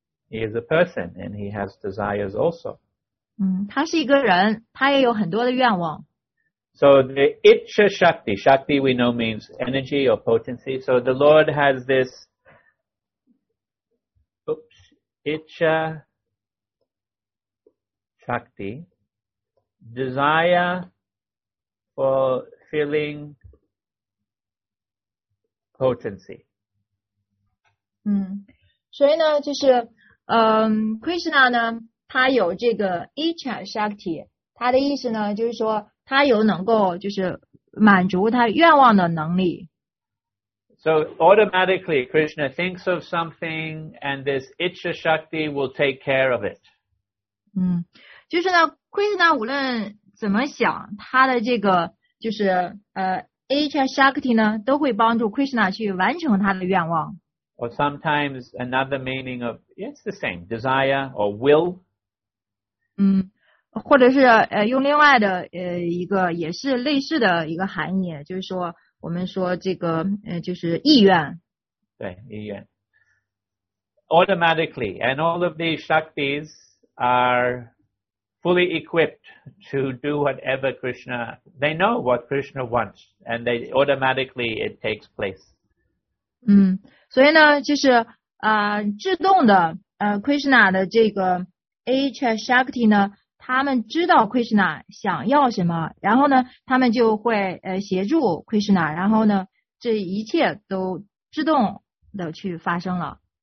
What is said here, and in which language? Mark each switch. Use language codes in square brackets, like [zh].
[en] He is a person and he has desires also. [zh] 他是一个人，他也有很多的愿望。 [en] So the Icha Shakti, Shakti we know means energy or potency. So the Lord has this... Itcha Shakti, desire for feeling potency. [zh] 所以呢就是Krishna 呢他有这个 Itcha Shakti, 他的意思呢就是说他有能够就是满足他愿望的能力。 [en] So automatically Krishna thinks of something and this Itcha Shakti will take care of it. [zh] 就是呢 Krishna 无论怎么想他的这个就是Itcha Shakti 呢都会帮助 Krishna 去完成他的愿望。 [en] Or sometimes another meaning of, it's the same, desire or will. [zh] 或者是用另外的一个也是类似的一个含义就是说我们说这个就是意愿。对，意愿。 [en] Automatically, and all of these Shaktis are fully equipped to do whatever Krishna, they know what Krishna wants, and they automatically it takes place. [zh] 所以呢就是自动的Krishna 的这个 Itcha Shakti 呢他们知道 Krishna 想要什么，然后呢，他们就会协助 Krishna， 然后呢，这一切都自动的去发生了。